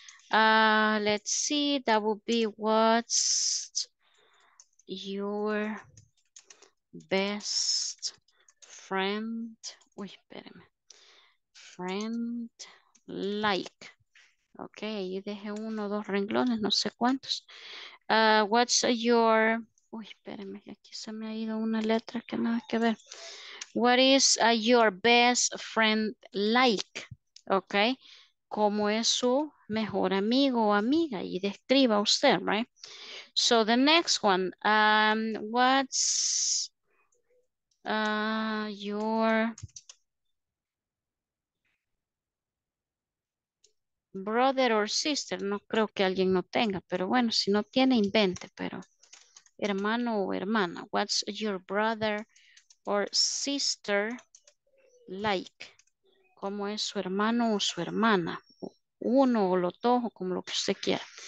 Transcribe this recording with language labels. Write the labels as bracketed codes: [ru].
[en] Let's see, that would be what's your best friend? [es] Uy, espérame. [en] Friend like. [es] Okay, ahí dejé uno, dos renglones, no sé cuántos. [en] What's your, [es] uy, espérame, aquí se me ha ido una letra que nada que ver. [en] What is your best friend like? [es] Okay, ¿cómo es su mejor amigo o amiga? Y describa usted, right? [en] So the next one, what's your brother or sister? [es] No creo que alguien no tenga, pero bueno, si no tiene, invente, pero hermano o hermana. [en] What's your brother or sister like? [es] ¿Cómo es su hermano o su hermana? Uno o lo dos, o como lo que usted quiera.